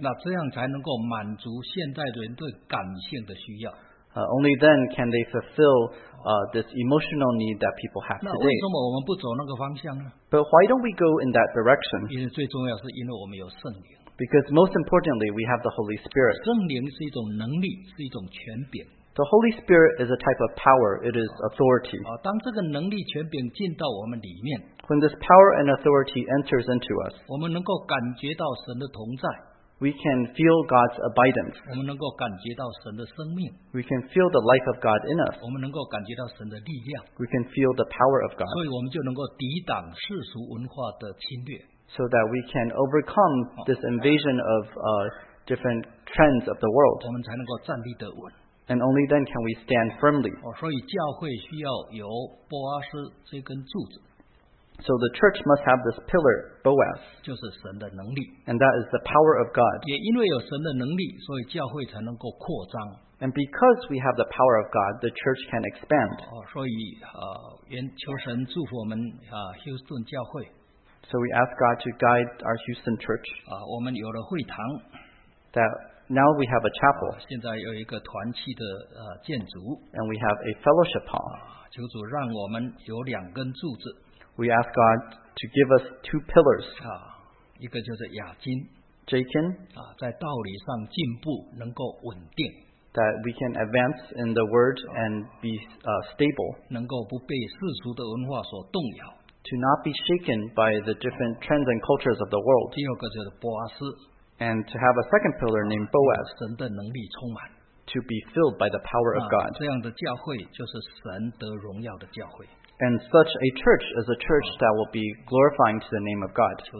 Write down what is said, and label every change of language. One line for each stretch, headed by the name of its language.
Chinese: 那这样才能够满足现代人对感性的需要。
English: Only then can they fulfill this emotional need that people have today.
Chinese: 那为什么我们不走那个方向呢？
English: But why don't we go in that direction?
Chinese: 因为最重要是因为我们有圣灵。
English: Because most importantly, we have the Holy Spirit.
Chinese: 圣灵是一种能力，是一种权柄。
English: The Holy Spirit is a type of power. It is authority.
Chinese: 当这个能力权柄进到我们里面，
English: When this power and authority enters into us,
Chinese: 我们能够感觉到神的同在。
English: We can feel God's abidance.
Chinese: 我们能够感觉到神的生命。
English: We can feel the life of God in us.
Chinese: 我们能够感觉到神的力量。
English: We can feel the power of God.
Chinese: 所以我们就能够抵挡世俗文化的侵略。
English: So that we can overcome this invasion of different trends of the world.
Chinese: 我们才能够站立得稳。
English: And only then can we stand firmly.
Chinese: 所以教会需要有波阿斯这根柱子。
English: So the church must have this pillar, Boaz.
Chinese: 就是神的能力。
English: And that is the power of God.
Chinese: 也因为有神的能力，所以教会才能够扩张。
English: And because we have the power of God, the church can expand.
Chinese: 所以愿求神祝福我们Houston教会。
English: So we ask God to guide our Houston church.
Chinese: 我们有了会堂。
English: That now we have a chapel.
Chinese: 现在有一个团契的建筑。
English: And we have a fellowship hall.
Chinese: 求主让我们有两根柱子。
English: We ask God to give us two pillars.
Chinese: 一个就是雅金。
English: Jakin.
Chinese: 在道理上进步，能够稳定。
English: That we can advance in the word and be stable.
Chinese: 能够不被世俗的文化所动摇。
English: To not be shaken by the different trends and cultures of the world.
Chinese: 第二个就是波阿斯。
English: And to have a second pillar named Boaz.
Chinese: 神的能力充满。
English: To be filled by the power of God.
Chinese: 这样的教会就是神得荣耀的教会。
English: And such a church is a church that will be glorifying to the name of God.